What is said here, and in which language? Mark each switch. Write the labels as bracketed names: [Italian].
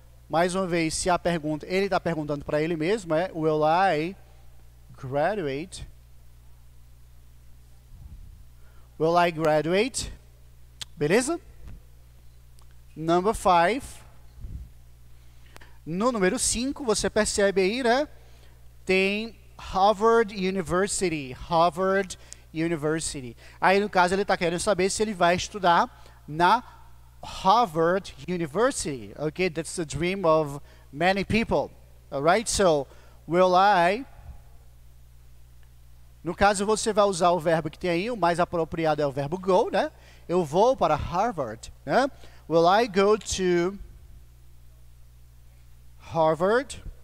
[Portuguese] Mais uma vez, se a pergunta... Ele está perguntando para ele mesmo, é [English] will I graduate? Will I graduate? [Portuguese] Beleza? [English] Number 5. [Portuguese] No número 5, você percebe aí, né? Tem Harvard University. Harvard University. Aí, no caso, ele está querendo saber se ele vai estudar na Harvard University. [English] Okay, that's the dream of many people. All right, so, will I... [Portuguese] No caso, você vai usar o verbo que tem aí, o mais apropriado é o verbo go, né? Eu vou para Harvard, né? [English] Will I go to Harvard?